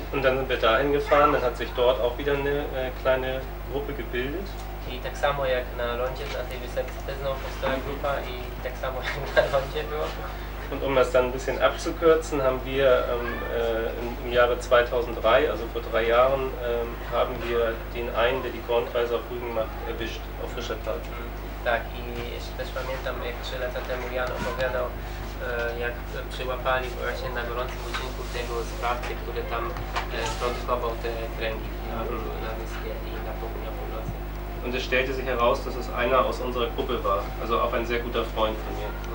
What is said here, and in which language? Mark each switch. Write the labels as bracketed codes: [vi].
[de] Und dann sind wir dahin gefahren, dann hat sich dort auch wieder eine kleine Gruppe gebildet. [pl] I tak samo jak na lądzie, na tej wysepce też znowu powstała grupa i tak samo jak na lądzie było. [de] Und um das dann ein bisschen abzukürzen, haben wir im Jahre 2003, also vor drei Jahren, haben wir den einen, der die Kornkreise auf Rügen macht, erwischt, auf frischer Tat. [pl] Tak, i jeszcze też pamiętam, jak 3 lata temu Jan opowiadał, jak przyłapali właśnie na gorącym uczynku tego sprawcy, który tam produkował te kręgi na wyspie i na północy. [de] Und es stellte sich heraus, dass es einer aus unserer Gruppe war, also auch ein sehr guter Freund von mir.